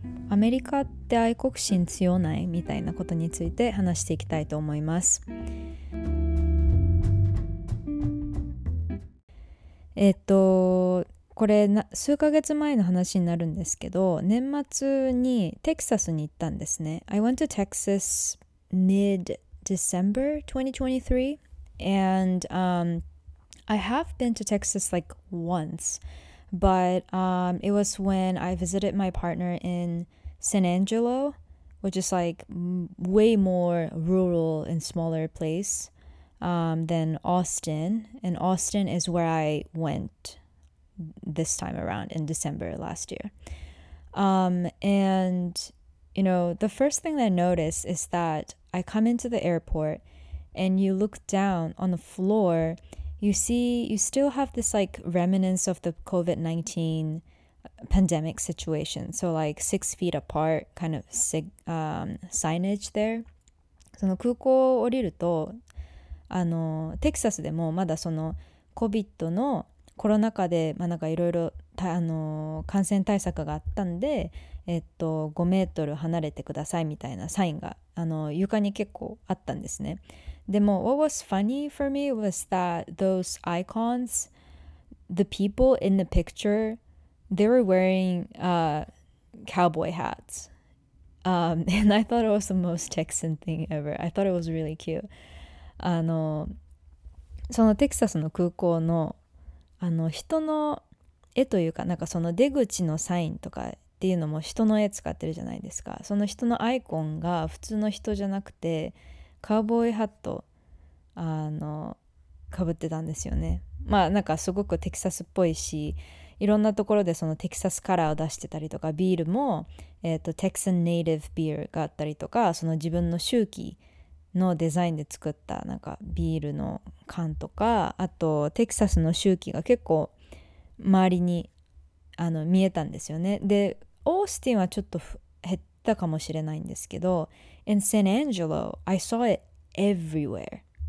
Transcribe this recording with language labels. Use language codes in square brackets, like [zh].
[ja] アメリカって愛国心強ない?みたいなことについて話していきたいと思います。これ数ヶ月前の話になるんですけど、年末にテキサスに行ったんですね。 [en] I went to Texas mid-December 2023. And I have been to Texas like once, but it was when I visited my partner in San Angelo, which is like way more rural and smaller place than Austin. And Austin is where I went this time around in December last year. And, you know, the first thing that I noticed is that I come into the airport. And you look down on the floor, you see you still have this like remnants of the COVID-19 pandemic situation. So like 6 feet apart kind of signage there. [ja] その空港を降りると、あのテキサスでもまだその COVID のコロナ禍で、まあ、なんかいろいろ感染対策があったんで、5メートル離れてくださいみたいなサインがあの床に結構あったんですね。でも [en] what was funny for me was that those icons, the people in the picture, they were wearing cowboy hats. And I thought it was the most Texan thing ever. I thought it was really cute. [ja] あのそのテキサスの空港のあの人の絵というかなんかその出口のサインとかっていうのも人の絵使ってるじゃないですか。その人のアイコンが普通の人じゃなくてカウボーイハットあのかぶってたんですよね。まあなんかすごくテキサスっぽいし、いろんなところでそのテキサスカラーを出してたりとか、ビールもテキサンネイティブビールがあったりとか、その自分の周期のデザインで作ったなんかビールの缶とか、あとテキサスの周期が結構周りにあの見えたんですよね。でオースティンはちょっと減ったかもしれないんですけど、 [en] In San Angelo I saw it everywhere,